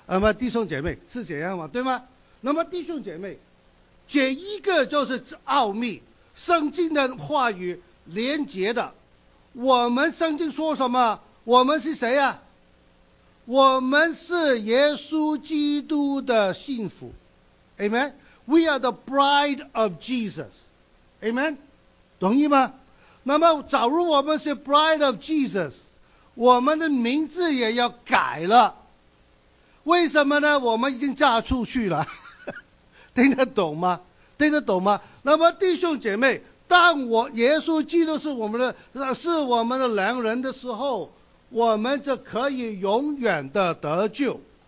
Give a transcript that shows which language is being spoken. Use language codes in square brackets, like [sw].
[zh] 那么弟兄姐妹是这样吗？对吗？那么弟兄姐妹，这一个就是奥秘，圣经的话语连结的。我们圣经说什么？我们是谁啊？我们是耶稣基督的信徒。 [en] Amen? We are the bride of Jesus. [zh] Amen? 同意吗？那么假如我们是 [en] bride of Jesus， [zh] 我们的名字也要改了。为什么呢？我们已经嫁出去了。听得懂吗？听得懂吗？那么弟兄姐妹，当我耶稣基督是我们的良人的时候，我们就可以永远的得救。